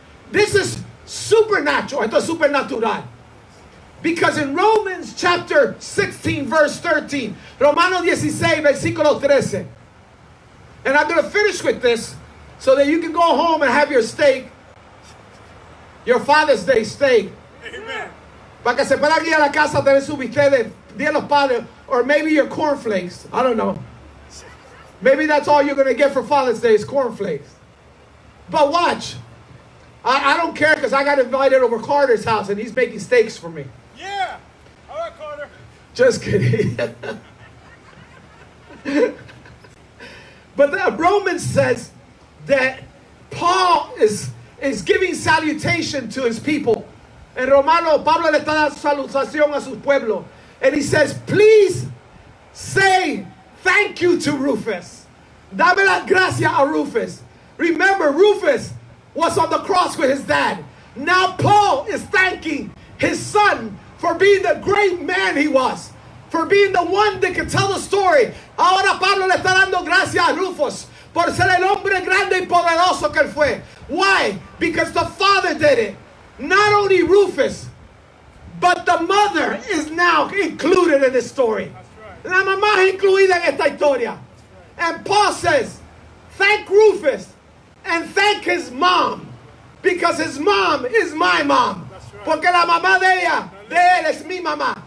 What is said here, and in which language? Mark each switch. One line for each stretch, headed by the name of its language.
English: This is supernatural.
Spanish: Esto es supernatural.
English: Because in Romans chapter 16, verse 13.
Spanish: Romano 16, versículo 13.
English: And I'm going to finish with this so that you can go home and have your steak. Your Father's Day steak. Amen.
Spanish: Para que se pueda ir a la casa a tener su bistec de Día de los Padres.
English: Or maybe your cornflakes. I don't know. Maybe that's all you're going to get for Father's Day is cornflakes. But watch. I don't care because I got invited over Carter's house and he's making steaks for me. Yeah. All right, Carter. Just kidding. But Romans says that Paul is giving salutation to his people.
Spanish: En Romano, Pablo le está dando salutación a su pueblo.
English: And he says, please say thank you to Rufus.
Spanish: Dame las gracias a Rufus.
English: Remember, Rufus was on the cross with his dad. Now Paul is thanking his son for being the great man he was. For being the one that could tell the story.
Spanish: Ahora Pablo le está dando gracias a Rufus. Por ser el hombre grande y poderoso que él fue.
English: Why? Because the father did it. Not only Rufus. But the mother is now included in this story. That's right.
Spanish: La mamá es incluida en esta historia.
English: Right. And Paul says, thank Rufus and thank his mom. Because his mom is my mom. Right.
Spanish: Porque la mamá de ella, de él es mi mamá.